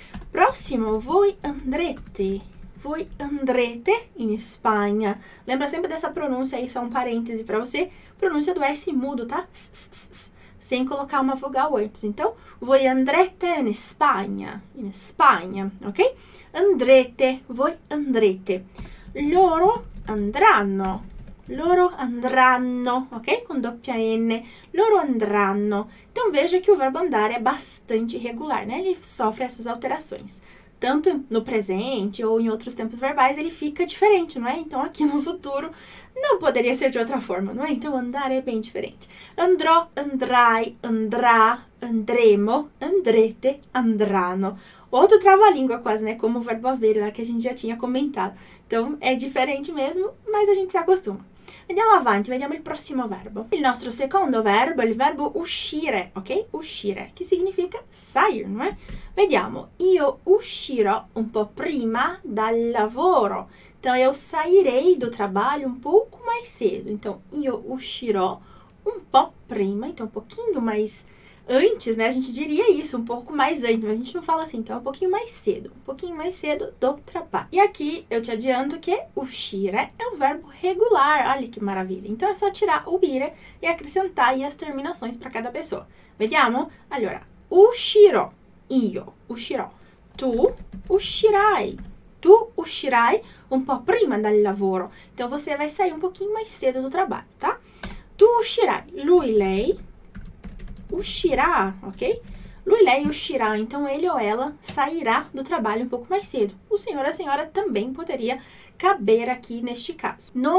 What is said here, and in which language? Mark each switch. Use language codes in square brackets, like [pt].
[it] Prossimo, voi andrete. Voi andrete in Spagna. [pt] Lembra sempre dessa pronúncia aí, só um parêntese para você. Pronúncia do S mudo, tá? S, sem colocar uma vogal antes. [it] Então, voi andrete in Spagna. In Spagna, ok? Andrete, voi andrete. Loro andranno. Loro andranno, ok? Com doppia N. Loro andranno. [pt] Então veja que o verbo andare é bastante irregular, né? Ele sofre essas alterações. Tanto no presente ou em outros tempos verbais, ele fica diferente, não é? Então aqui no futuro não poderia ser de outra forma, não é? Então andare é bem diferente. [it] Andrò, andrai, andrà, andremo, andrete, andranno. [pt] Outro trava-língua quase, né? Como o verbo haver lá que a gente já tinha comentado. Então é diferente mesmo, mas a gente se acostuma. [it] Andiamo avanti, vediamo il prossimo verbo. Il nostro secondo verbo è il verbo uscire, ok? Uscire, che significa sair, non è? Vediamo, io uscirò un po' prima dal lavoro. [pt] Então, io sairei do trabalho un pouco mais cedo. Então, [it] io uscirò un po' prima, [pt] então, [it] un pochino [pt] mais antes, né? A gente diria isso, um pouco mais antes, mas a gente não fala assim, então é um pouquinho mais cedo. Um pouquinho mais cedo do trabalho. E aqui eu te adianto que uscire é um verbo regular. Olha que maravilha. Então é só tirar o ire e acrescentar aí as terminações para cada pessoa. [it] Vediamo? Allora, uscirò. Io uscirò. Tu uscirai. Tu uscirai un po' prima dal lavoro. [pt] Então você vai sair um pouquinho mais cedo do trabalho, tá? [it] Tu uscirai. Lui, lei. Uscirá, ok? Lui, lei, uscirá. [pt] Então, ele ou ela sairá do trabalho um pouco mais cedo. O senhor ou a senhora também poderia caber aqui neste caso.